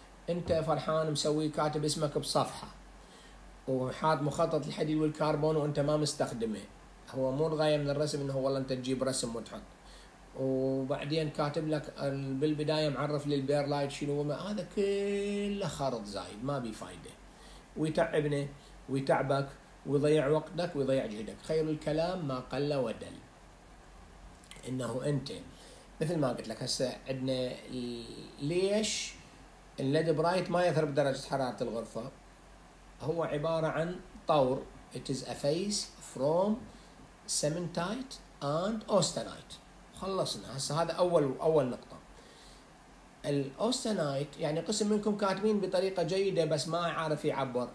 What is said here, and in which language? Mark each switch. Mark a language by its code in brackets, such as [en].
[ar] انت فرحان مسوي كاتب اسمك بصفحه وحاط مخطط الحديد والكربون وانت ما مستخدمه، هو مو الغايه من الرسم انه والله انت تجيب رسم وتحط، وبعدين كاتب لك بالبدايه معرف للبير لايت شنو، هذا كله خرط زايد ما بي فايده، ويتعبني ويتعبك ويضيع وقتك ويضيع جهدك. خير الكلام ما قل ودل، انه انت مثل ما قلت لك هسه عندنا ليش الليد برايت ما يثرب درجة حرارة الغرفة، هو عبارة عن طور. [en] It is a phase from cementite and austenite. [ar] خلصنا هسه هذا أول نقطة. الأوستنايت يعني قسم منكم كاتبين بطريقة جيدة بس ما عارف يعبر.